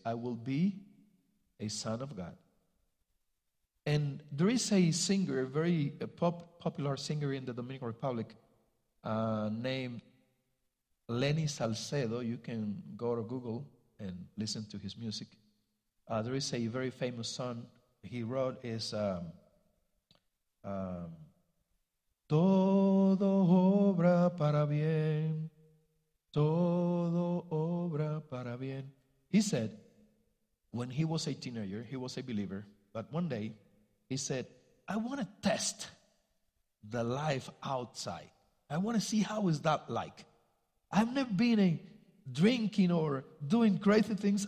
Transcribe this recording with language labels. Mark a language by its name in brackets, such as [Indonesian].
[English] I will be a son of God. And there is a singer, a popular singer in the Dominican Republic, named Lenny Salcedo. You can go to Google and listen to his music. There is a very famous song he wrote. [Spanish] Is todo obra para bien, todo obra para bien. [English] He said, when he was a teenager, he was a believer, but one day, he said, I want to test the life outside. I want to see how is that like. I've never been drinking or doing crazy things.